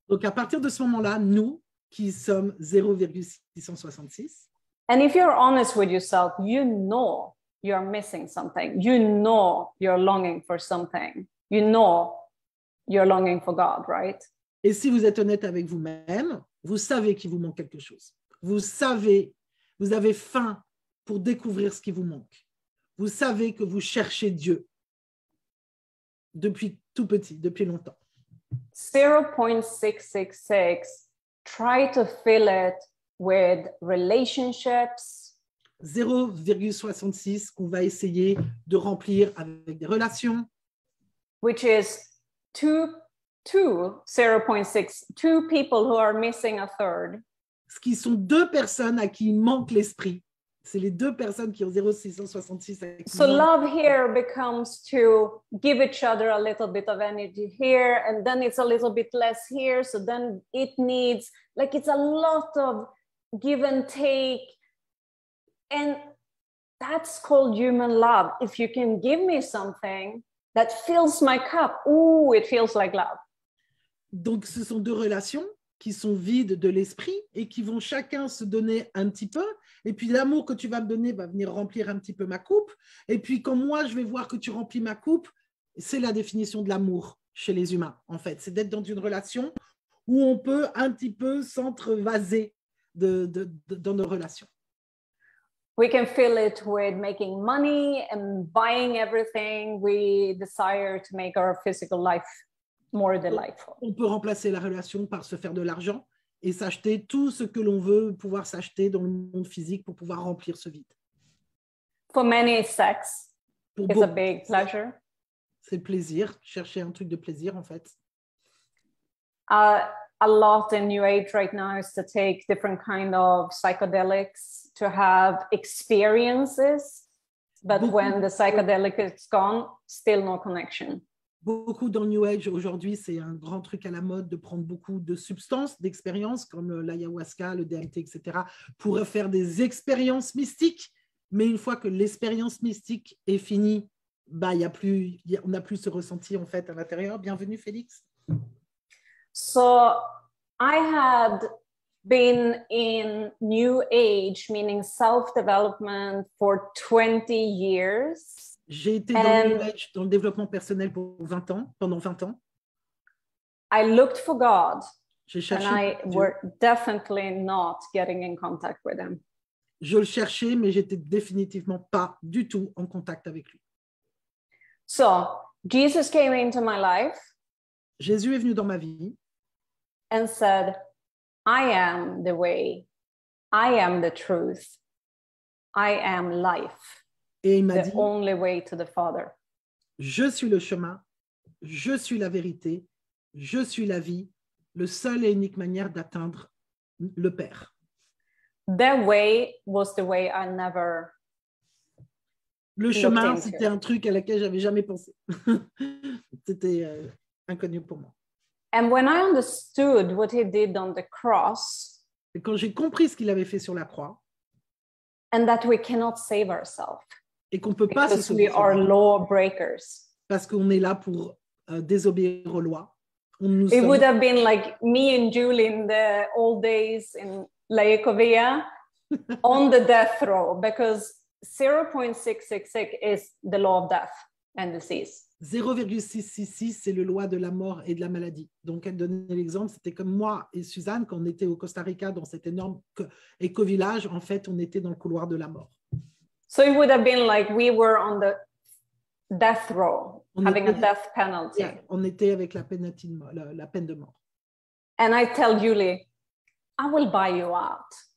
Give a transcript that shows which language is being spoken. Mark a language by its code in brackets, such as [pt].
[fr] Donc à partir de ce moment-là, nous qui sommes 0,666. [en] And if you're honest with yourself, you know you're missing something. You know you're longing for something. You know you're longing for God, right? [fr] Et si vous êtes honnête avec vous-même, vous savez qu'il vous manque quelque chose. Vous savez, vous avez faim pour découvrir ce qui vous manque. Vous savez que vous cherchez Dieu depuis tout petit, depuis longtemps. [en] 0.666, try to fill it with relationships. [fr] 0,66 qu'on va essayer de remplir avec des relations. [en] Which is two people who are missing a third. [fr] Ce qui sont deux personnes à qui il manque l'esprit. C'est les deux personnes qui ont 0,666. [en] So love here becomes to give each other a little bit of energy here, and then it's a little bit less here. So then it needs, like, it's a lot of give and take. And that's called human love. If you can give me something that fills my cup, ooh, it feels like love. [fr] Donc, ce sont deux relations qui sont vides de l'esprit et qui vont chacun se donner un petit peu. Et puis l'amour que tu vas me donner va venir remplir un petit peu ma coupe. Et puis quand moi, je vais voir que tu remplis ma coupe, c'est la définition de l'amour chez les humains, en fait. C'est d'être dans une relation où on peut un petit peu s'entrevaser dans nos relations. [en] We can fill it with making money and buying everything we desire to make our physical life more delightful. [fr] On peut remplacer la relation par se faire de l'argent et s'acheter tout ce que l'on veut pouvoir s'acheter dans le monde physique pour pouvoir remplir ce vide. [en] For many, sex is a big pleasure. [fr] C'est le plaisir, chercher un truc de plaisir, en fait. [en] A lot in New Age right now is to take different kind of psychedelics to have experiences, but beaucoup, when the psychedelic is gone, still no connection. [fr] Beaucoup dans New Age aujourd'hui, c'est un grand truc à la mode de prendre beaucoup de substances, d'expériences comme l'ayahuasca, le DMT, etc., pour faire des expériences mystiques. Mais une fois que l'expérience mystique est finie, bah, on n'a plus ce ressenti en fait à l'intérieur. Bienvenue, Félix. [en] So, I had been in New Age, meaning self-development, for 20 years. [fr] J'ai été dans New Age, dans le développement personnel pour 20 ans, pendant 20 ans. [en] I looked for God. [fr] J'ai cherché [en] and I Dieu. Were definitely not getting in contact with him. [fr] Je le cherchais, mais j'étais définitivement pas du tout en contact avec lui. [en] So, Jesus came into my life. [fr] Jésus est venu dans ma vie. [en] And said, I am the way, I am the truth, I am life, the only way to the Father. [fr] Je suis le chemin, je suis la vérité, je suis la vie, le seul et unique manière d'atteindre le Père. [en] That way was the way I never [fr] Le chemin, c'était un truc à laquelle j'avais jamais pensé. C'était inconnu pour moi. [en] And when I understood what he did on the cross, [fr] et quand j'ai compris ce qu'il avait fait sur la croix, [en] and that we cannot save ourselves, [fr] et qu'on peut pas se sauver, [en] because we are law breakers, [fr] parce qu'on est là pour désobéir aux lois, [en] it would have been like me and Julie in the old days in Laïcovia on the death row, because 0.666 is the law of death and disease. [fr] 0,666, c'est le loi de la mort et de la maladie. Donc, elle donnait l'exemple, c'était comme moi et Suzanne, quand on était au Costa Rica dans cet énorme éco-village, en fait, on était dans le couloir de la mort. [en] So it would have been like we were on the death row, on having était, a death penalty. Yeah, [fr] on était avec la peine, la peine de mort. [en] And I tell Julie, I will buy you out.